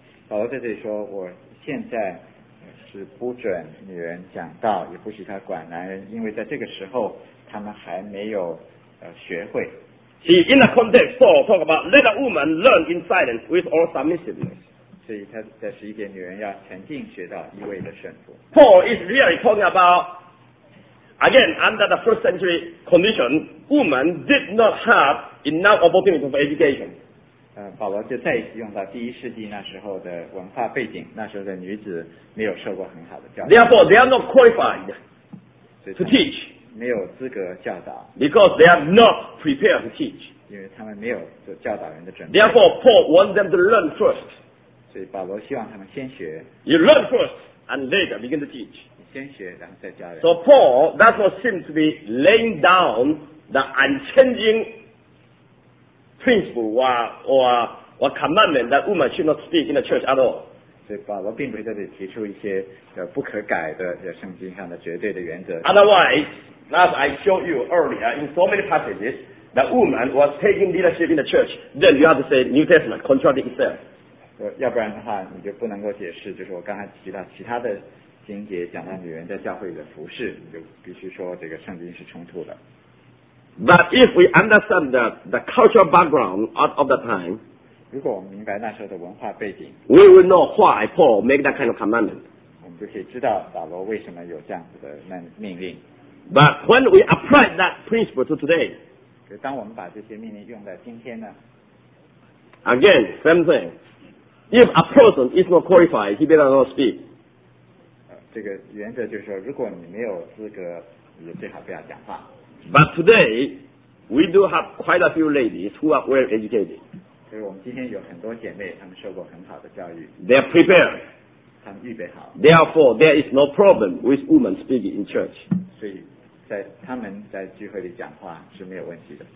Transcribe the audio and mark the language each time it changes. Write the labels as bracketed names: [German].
[Chinese] 保罗在这里说，我现在是不准女人讲道，也不许她管男人，因为在这个时候他们还没有学会。 [English] See, in the context, Paul talk about let a woman learn in silence with all submissiveness. [Chinese] 所以他在十一节，女人要沉静学道，一味的顺服。 [English] Paul is really talking about. Again, under the first century condition, women did not have enough opportunity for education. [Chinese] 保罗就再一次用到第一世纪那时候的文化背景，那时候的女子没有受过很好的教育。 [English] Therefore, they are not qualified to teach. [Chinese] 没有资格教导。 [English] Because they are not prepared to teach. [Chinese] 因为他们没有教导人的准备。 [English] Therefore, Paul wants them to learn first. [Chinese] 所以保罗希望他们先学。 [English] You learn first, and later begin to teach. [Chinese] 先学，然后再教人。 [English] So Paul does not seem to be laying down the unchanging principle or commandment that women should not speak in the church at all. [Chinese] 所以保罗并不是在这里提出一些不可改的圣经上的绝对的原则。 [English] Otherwise, as I showed you earlier in so many passages, the woman was taking leadership in the church. Then you have to say New Testament contradicting itself. [Chinese] 要不然的话，你就不能够解释，就是我刚才提到其他的。经节讲到女人在教会的服事，你就必须说这个圣经是冲突的。 [English] But if we understand the cultural background out of the time, [Chinese] 如果我们明白那时候的文化背景 [English] ，we will know why Paul make that kind of commandment. [Chinese] 我们就可以知道保罗为什么有这样子的命令。 [English] But when we apply that principle to today, [Chinese] 可当我们把这些命令用在今天呢 [English] ？Again, same thing. If a person is not qualified, he better not speak. [Chinese] 这个原则就是说，如果你没有资格，你最好不要讲话。 [English] But today, we do have quite a few ladies who are well educated. [Chinese] 所以我们今天有很多姐妹，她们受过很好的教育。 [English] They are prepared. [Chinese] 她们预备好。 [English] Therefore, there is no problem with women speaking in church. [Chinese] 所以在她们在聚会里讲话是没有问题的。